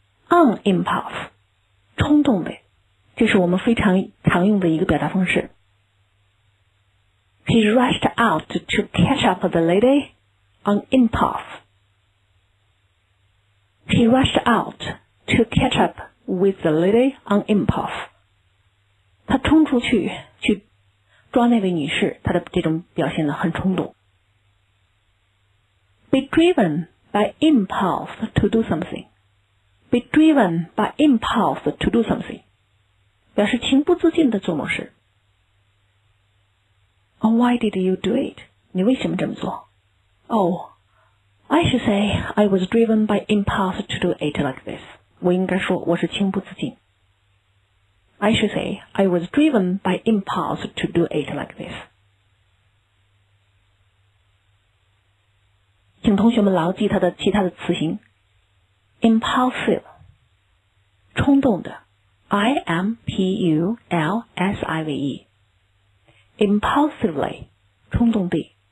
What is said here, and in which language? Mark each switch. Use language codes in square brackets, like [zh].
[zh] On impulse, 冲动的，这是我们非常常用的一个表达方式。 [en] He rushed out to catch up with the lady on impulse. He rushed out to catch up with the lady on impulse. [zh] 他冲出去去抓那位女士，她的这种表现得很冲动。 [en] Be driven by impulse to do something. Be driven by impulse to do something. [zh] 表示情不自禁的做某事。 [en] Oh, why did you do it? [zh] 你为什么这么做？ [en] Oh, I should say I was driven by impulse to do it like this. [zh] 我应该说我是情不自禁。 [en] I should say, I was driven by impulse to do it like this. [zh] 请同学们牢记它的其他的词形。 [en] Impulsive, 冲动的 ,I-M-P-U-L-S-I-V-E. Impulsively, 冲动的。